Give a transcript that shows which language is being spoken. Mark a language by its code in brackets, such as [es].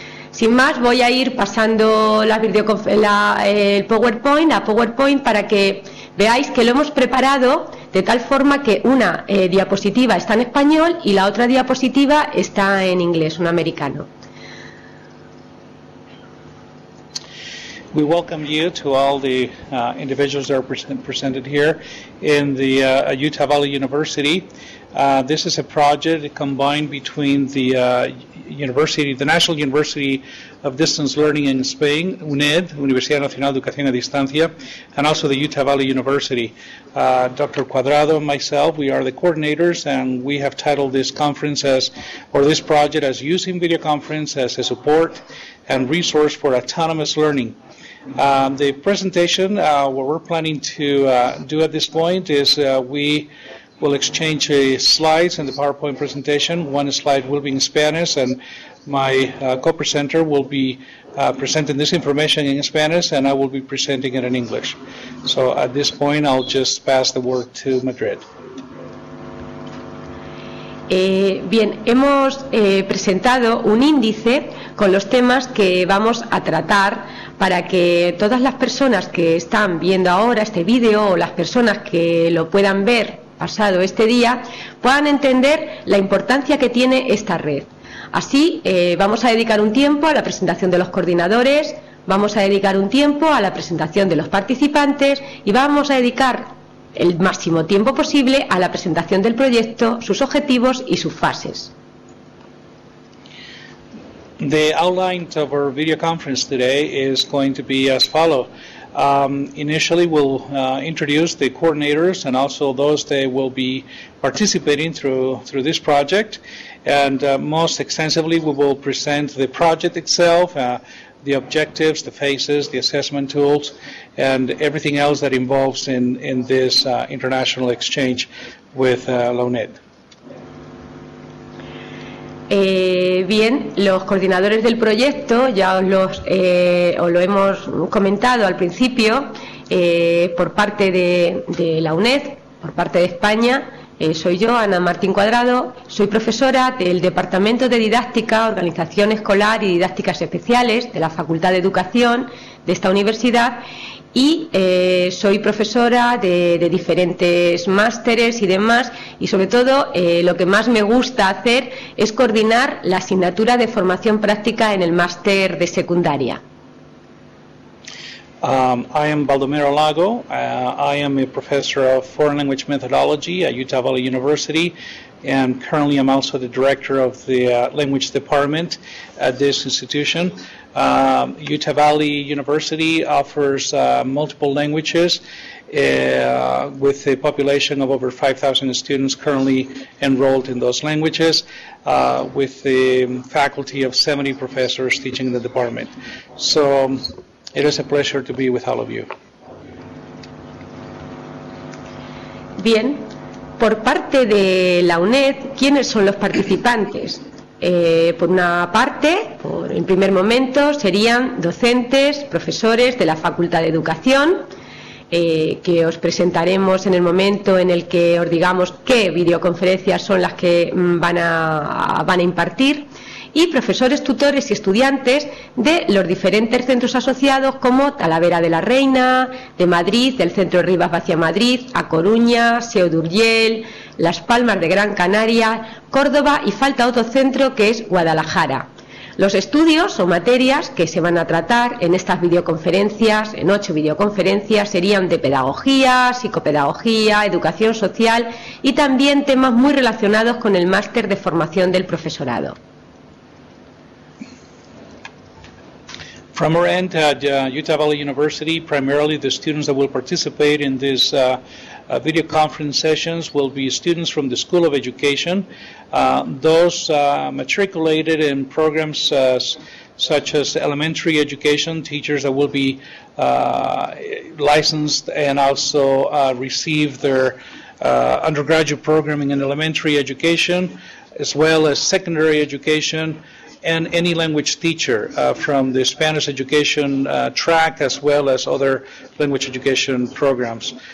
[es] Sin más, voy a ir pasando el PowerPoint para que veáis que lo hemos preparado de tal forma que una diapositiva está en español y la otra diapositiva está en inglés, un americano. [en] We welcome you to all the individuals that are presented here in the Utah Valley University. This is a project combined between the university, the National University of Distance Learning in Spain, UNED, Universidad Nacional de Educación a Distancia, and also the Utah Valley University. Dr. Cuadrado and myself, we are the coordinators, and we have titled this conference as Using Video Conference as a Support and Resource for Autonomous Learning. The presentation, what we're planning to do at this point is we will exchange slides in the PowerPoint presentation. One slide will be in Spanish, and my co-presenter will be presenting this information in Spanish, and I will be presenting it in English. So at this point, I'll just pass the word to Madrid. [es] Bien, hemos presentado un índice con los temas que vamos a tratar para que todas las personas que están viendo ahora este vídeo o las personas que lo puedan ver pasado este día puedan entender la importancia que tiene esta red. Así, vamos a dedicar un tiempo a la presentación de los coordinadores, vamos a dedicar un tiempo a la presentación de los participantes y vamos a dedicar el máximo tiempo posible a la presentación del proyecto, sus objetivos y sus fases. [en] The outline of our video conference today is going to be as follows. Initially, we'll introduce the coordinators and also those that will be participating through this project. And most extensively, we will present the project itself, the objectives, the phases, the assessment tools, and everything else that involves in this international exchange with La UNED. [es] Bien, los coordinadores del proyecto, ya os lo hemos comentado al principio, por parte de la UNED, por parte de España, soy yo, Ana Martín Cuadrado, soy profesora del Departamento de Didáctica, Organización Escolar y Didácticas Especiales de la Facultad de Educación de esta universidad y soy profesora de diferentes másteres y demás, y sobre todo lo que más me gusta hacer es coordinar la asignatura de formación práctica en el máster de secundaria. [en] I am Baldomero Lago. I am a professor of foreign language methodology at Utah Valley University, and currently I'm also the director of the language department at this institution. Utah Valley University offers multiple languages with a population of over 5,000 students currently enrolled in those languages, with a faculty of 70 professors teaching in the department. So it is a pleasure to be with all of you. [es] Bien, por parte de la UNED, ¿quiénes son los participantes? Por una parte, por el primer momento, serían docentes, profesores de la Facultad de Educación, que os presentaremos en el momento en el que os digamos qué videoconferencias son las que van a impartir. y profesores, tutores y estudiantes de los diferentes centros asociados como Talavera de la Reina, de Madrid, del Centro Rivas Vaciamadrid, Madrid, A Coruña, Seo de Urgel, Las Palmas de Gran Canaria, Córdoba y falta otro centro que es Guadalajara. Los estudios o materias que se van a tratar en estas videoconferencias, en 8 videoconferencias, serían de pedagogía, psicopedagogía, educación social y también temas muy relacionados con el máster de formación del profesorado. [en] From our end at Utah Valley University, primarily the students that will participate in this video conference sessions will be students from the School of Education, those matriculated in programs such as elementary education, teachers that will be licensed and also receive their undergraduate programming in elementary education, as well as secondary education, and any language teacher from the Spanish education track as well as other language education programs.